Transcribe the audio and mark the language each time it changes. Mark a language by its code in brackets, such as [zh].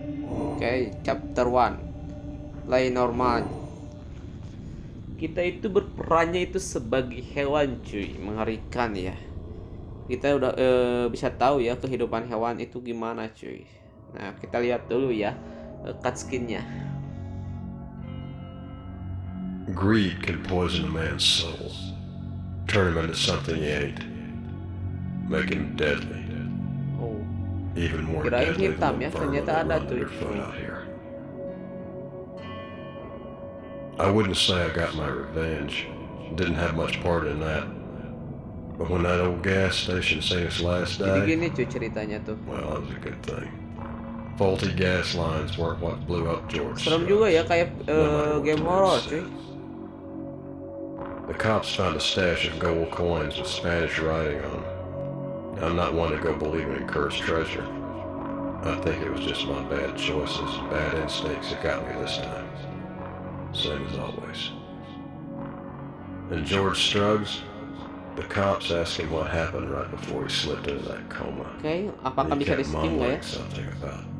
[en] Oke, chapter 1 play normal. [id] Kita itu berperannya itu sebagai hewan cuy, mengerikan ya. Kita udah bisa tahu ya kehidupan hewan itu gimana cuy. Nah kita lihat dulu ya cut skinnya. [en] Greed can poison a man's soul, turn him into something he ate, make him deadly. Oh, even more deadly [id] hitam ya, ternyata ada tuh. [en] I wouldn't say I got my revenge. Didn't have much part in that. But when that old gas station saved us last day, [id] jadi gini cuy ceritanya tuh. [en] Well, that was a good thing. Faulty gas lines weren't what blew up George. [id] Serem juga ya, kayak game horror cuy. [en] The cops found a stash of gold coins with Spanish writing on them. I'm not one to go believing in cursed treasure. I think it was just my bad choices and bad instincts that got me this time. Same as always. And George Struggs, the cops asked him what happened right before he slipped into that coma. [id] Okay, apakah bisa di-skip nggak ya?